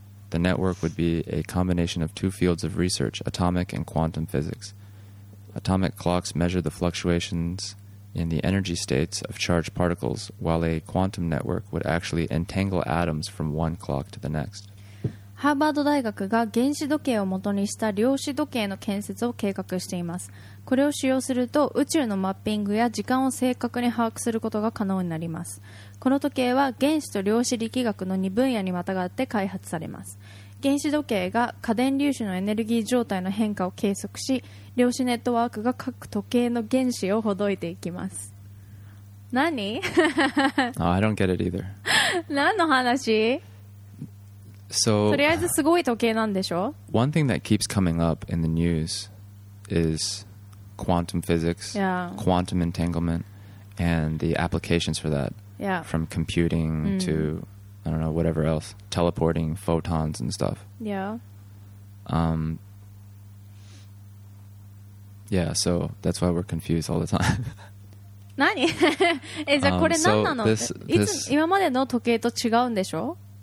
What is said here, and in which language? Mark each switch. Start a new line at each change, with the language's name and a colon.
English: The network would be a combination of two fields of research, atomic and quantum physics. Atomic clocks measure the fluctuations in the energy states of charged particles, while a quantum network would actually entangle atoms from one clock to the next.
Japanese: ハーバード大学が原子時計を元にした量子時計の建設を計画しています。これを使用すると宇宙のマッピングや時間を正確に把握することが可能になります。この時計は原子と量子力学の2分野にまたがって開発されます。原子時計が荷電粒子のエネルギー状態の変化を計測し、量子ネットワークが各時計の原子をほどいていきます。何
English: No, I don't get it either.
Japanese: 何の話？
English: So,
Japanese: とりあえずすごい時計なんでしょ？
English: One thing that keeps coming up in the news is quantum physics, yeah. quantum entanglement, and the applications for that. Yeah. From computing to, I don't know, whatever else, teleporting photons and stuff. Yeah. Yeah, so that's why we're confused all the time.
Japanese: 何え、じゃあこれ何なの、今までの時計と違うんでしょ